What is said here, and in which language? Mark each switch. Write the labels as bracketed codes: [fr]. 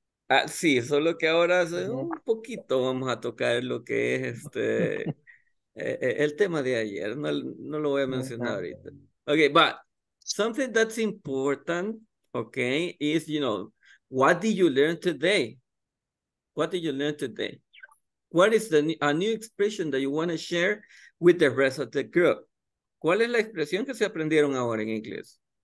[es] Ah, sí, solo que ahora un poquito vamos a tocar lo que es el tema de ayer. No lo voy a mencionar ahorita. [en] Okay, but something that's important, okay, is, you know, what did you learn today? What did you learn today? What is a new expression that you want to share with the rest of the group? [es] ¿Cuál es la expresión que se aprendieron ahora en inglés?